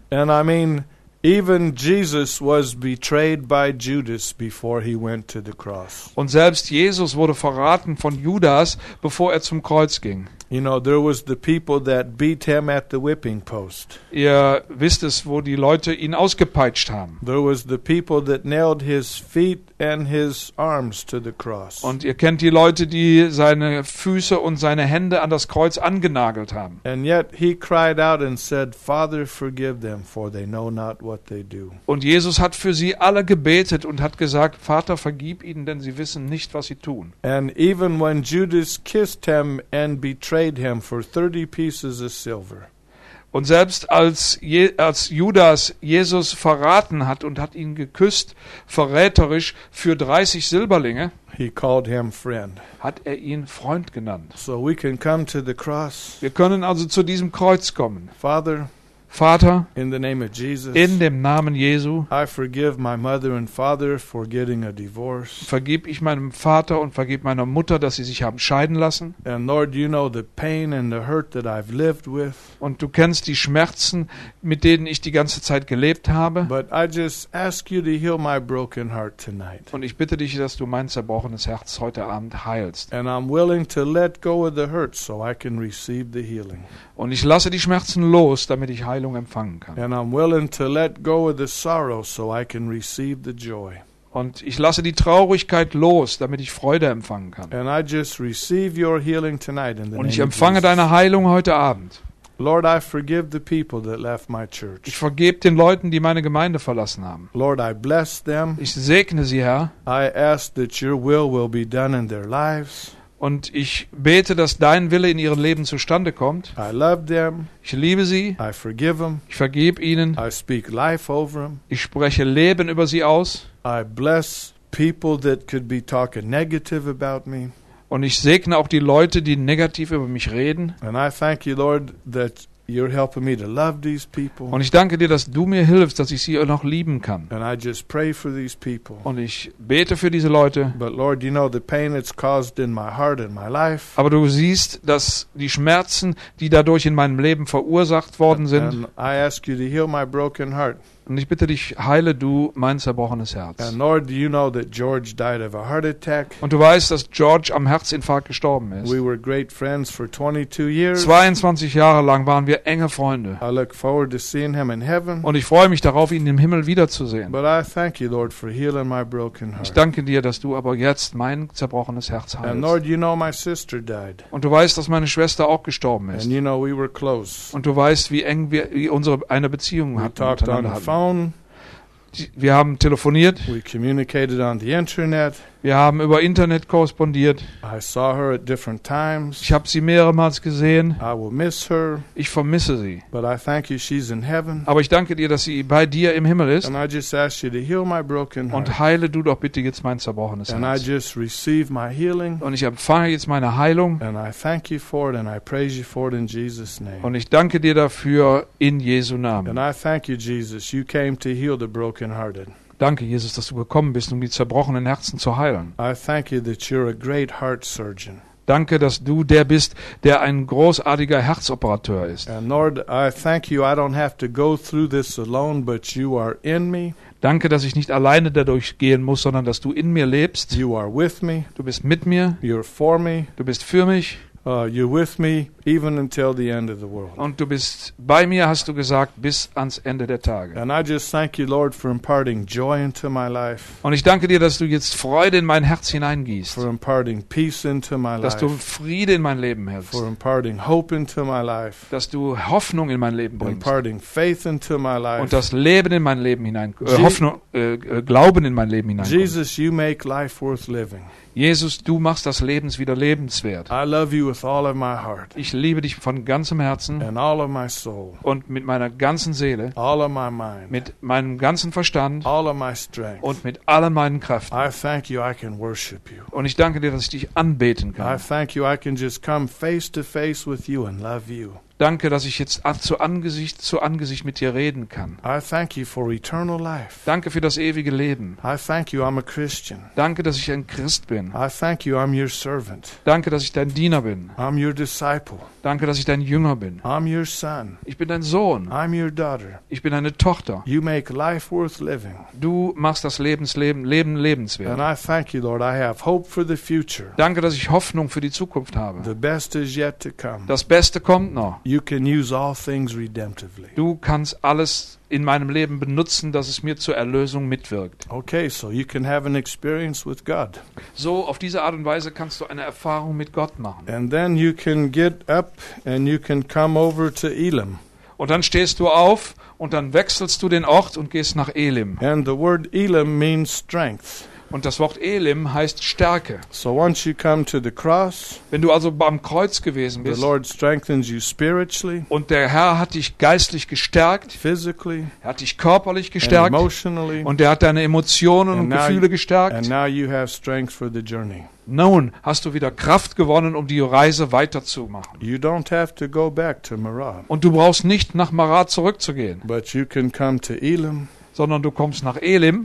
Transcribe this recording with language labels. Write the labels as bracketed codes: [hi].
[en] And I mean, even Jesus was betrayed by Judas before he went to the cross. [de] Und selbst Jesus wurde verraten von Judas, bevor er zum Kreuz ging. [en] You know, there was the people that beat him at the whipping post. [de] Ihr wisst es, wo die Leute ihn ausgepeitscht haben. [en] There was the people that nailed his feet and his arms to the cross. [de] Und ihr kennt die Leute, die seine Füße und seine Hände an das Kreuz angenagelt haben. [en] And yet he cried out and said, "Father, forgive them, for they know not what they do." [de] Und Jesus hat für sie alle gebetet und hat gesagt, Vater, vergib ihnen, denn sie wissen nicht, was sie tun. [en] And even when Judas kissed him and betrayed him for 30 pieces of silver. [de] Und selbst als Judas Jesus verraten hat und hat ihn geküsst, verräterisch für 30 Silberlinge, [en] he called him friend. [de] Hat er ihn Freund genannt. [en] So we can come to the cross. [de] Wir können also zu diesem Kreuz kommen. [en] Father, [de] Vater, [en] in the name of Jesus, [de] in dem Namen Jesu, [en] I forgive my mother and father for getting a divorce. [de] Vergib ich meinem Vater und vergib meiner Mutter, dass sie sich haben scheiden lassen. [en] And Lord, you know the pain and the hurt that I've lived with. [de] Und du kennst die Schmerzen, mit denen ich die ganze Zeit gelebt habe. [en] But I just ask you to heal my broken heart tonight. [de] Und ich bitte dich, dass du mein zerbrochenes Herz heute Abend heilst. [en] And I'm willing to let go of the hurt so I can receive the healing. [de] Und ich lasse die Schmerzen los, damit ich Heilung empfangen kann. [en] And I'm willing to let go of the sorrow so I can receive the joy. [de] Und ich lasse die Traurigkeit los, damit ich Freude empfangen kann. [en] And I just receive your healing tonight in the [de] Und ich empfange deine Heilung heute Abend. [en] Lord, I forgive the people that left my church. [de] Ich vergebe den Leuten, die meine Gemeinde verlassen haben. [en] Lord, I bless them. [de] Ich segne sie, Herr. [en] I ask that your will be done in their lives. [de] Und ich bete, dass dein Wille in ihrem Leben zustande kommt. [en] I love them. [de] Ich liebe sie. [en] I forgive them. [de] Ich vergebe ihnen. [en] I speak life over them. [de] Ich spreche Leben über sie aus. [en] I bless people that could be talking negative about me. [de] Und ich segne auch die Leute, die negativ über mich reden. [en] And I thank you, Lord, that you're helping me to love these people. [de] Und ich danke dir, dass du mir hilfst, dass ich sie noch lieben kann. [en] And I just pray for these people. [de] Und ich bete für diese Leute. [en] But Lord, you know the pain it's caused in my heart and my life. [de] Aber du siehst, dass die Schmerzen, die dadurch in meinem Leben verursacht worden sind. [en] And I ask you to heal my broken heart. [de] Und ich bitte dich, heile du mein zerbrochenes Herz. [en] And Lord, do you know that George died of a heart attack? [de] Und du weißt, dass George am Herzinfarkt gestorben ist. [en] We were great friends for 22 years. [de] 22 Jahre lang waren wir enge Freunde. [en] I look forward to seeing him in heaven. [de] Und ich freue mich darauf, ihn im Himmel wiederzusehen. [en] But I thank you, Lord, for healing my broken heart. [de] Ich danke dir, dass du aber jetzt mein zerbrochenes Herz heilst. [en] And Lord, you know my sister died. [de] Und du weißt, dass meine Schwester auch gestorben ist. [en] And you know we were close. [de] Und du weißt, wie eng wir eine Beziehung hatten. Wir haben telefoniert. [en] We communicated on the internet. [de] Wir haben über Internet korrespondiert. [en] I saw her at different times. [de] Ich habe sie mehrmals gesehen. [en] I will miss her. [de] Ich vermisse sie. [en] But I thank you, she's in heaven. [de] Aber ich danke dir, dass sie bei dir im Himmel ist. [en] And I just ask you to heal my broken heart. [de] Und heile du doch bitte jetzt mein zerbrochenes Herz. [en] And I just receive my healing. [de] Und ich empfange jetzt meine Heilung. [en] And I thank you for it and I praise you for it in Jesus' name. [de] Und ich danke dir dafür in Jesu Namen. [en] And I thank you, Jesus, you came to heal the brokenhearted. [de] Danke, Jesus, dass du gekommen bist, um die zerbrochenen Herzen zu heilen. [en] I thank you that you're a great heart surgeon. [de] Danke, dass du der bist, der ein großartiger Herzoperateur ist. [en] And Lord, I thank you, I don't have to go through this alone, but you are in me. [de] Danke, dass ich nicht alleine dadurch gehen muss, sondern dass du in mir lebst. [en] You are with me. [de] Du bist mit mir. [en] You're for me. [de] Du bist für mich. [en] You're with me even until the end of the world. [de] Und du bist bei mir, hast du gesagt, bis ans Ende der Tage. [en] And I just thank you, Lord, for imparting joy into my life. [de] Und ich danke dir, dass du jetzt Freude in mein Herz hineingießt. [en] For imparting peace into my life. [de] Dass du Friede in mein Leben hältst. [en] For imparting hope into my life. [de] Dass du Hoffnung in mein Leben bringst. [en] Imparting faith into my life. [de] Und das Leben in mein Leben hinein, Glauben in mein Leben hineinkommt. [en] Jesus, you make life worth living. [de] Jesus, du machst das Leben wieder lebenswert. [en] I love you with all of my heart. [de] Ich liebe dich von ganzem Herzen. [en] And all of my soul. [de] Und mit meiner ganzen Seele. [en] All of my mind. [de] Mit meinem ganzen Verstand. [en] All of my strength. [de] Und mit allen meinen Kräften. [en] I thank you, I can worship you. [de] Und ich danke dir, dass ich dich anbeten kann. [en] I thank you, I can just come face to face with you and love you. [de] Danke, dass ich jetzt zu Angesicht mit dir reden kann. [en] I thank you for eternal life. [de] Danke für das ewige Leben. [en] I thank you, I'm a Christian. [de] Danke, dass ich ein Christ bin. [en] I thank you, I'm your servant. [de] Danke, dass ich dein Diener bin. [en] I'm your disciple. [de] Danke, dass ich dein Jünger bin. [en] I'm your son. [de] Ich bin dein Sohn. [en] I'm your daughter. [de] Ich bin deine Tochter. [en] You make life worth living. [de] Du machst das Leben lebenswert. [en] And I thank you, Lord, I have hope for the future. [de] Danke, dass ich Hoffnung für die Zukunft habe. [en] The best is yet to come. [de] Das Beste kommt noch. [en] You can use all things redemptively. [de] Du kannst alles in meinem Leben benutzen, dass es mir zur Erlösung mitwirkt. [en] Okay, so you can have an experience with God. [de] So auf diese Art und Weise kannst du eine Erfahrung mit Gott machen. [en] And then you can get up and you can come over to Elim. [de] Und dann stehst du auf und dann wechselst du den Ort und gehst nach Elim. [en] And the word Elim means strength. [de] Und das Wort Elim heißt Stärke. [en] So once you come to the cross, [de] wenn du also beim Kreuz gewesen bist, [en] the Lord strengthens you spiritually, [de] und der Herr hat dich geistlich gestärkt, [en] physically, [de] er hat dich körperlich gestärkt, [en] and emotionally, [de] und er hat deine Emotionen und Gefühle gestärkt. [en] And now you have strength for the journey. [de] Nun hast du wieder Kraft gewonnen, um die Reise weiterzumachen. [en] You don't have to go back to Marah. [de] Und du brauchst nicht nach Marah zurückzugehen. [en] But you can come to Elim, [de] sondern du kommst nach Elim,